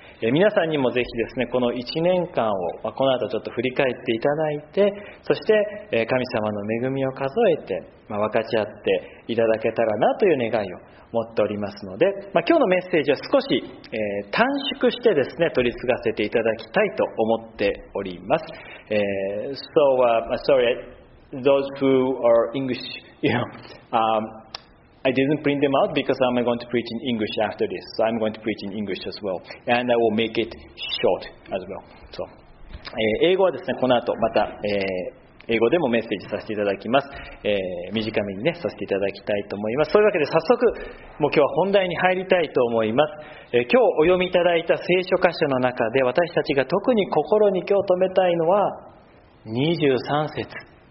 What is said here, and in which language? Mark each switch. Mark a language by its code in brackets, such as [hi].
[ja] 皆さんにもぜひですね、この1年間をこの後ちょっと振り返っていただいて、そして神様の恵みを数えて分かち合っていただけたらなという願いを持っておりますので、今日のメッセージは少し短縮してですね、取り継がせていただきたいと思っております。 [en] So, sorry, those who are English, I didn't print them out because I'm going to preach in English after this. So I'm going to preach in English as well. And I will make it short as well. [ja] So, 英語はですね、この後また、英語でもメッセージさせていただきます。短めにね、させていただきたいと思います。そういうわけで早速、もう今日は本題に入りたいと思います。今日お読みいただいた聖書箇所の中で私たちが特に心に今日留めたいのは23節。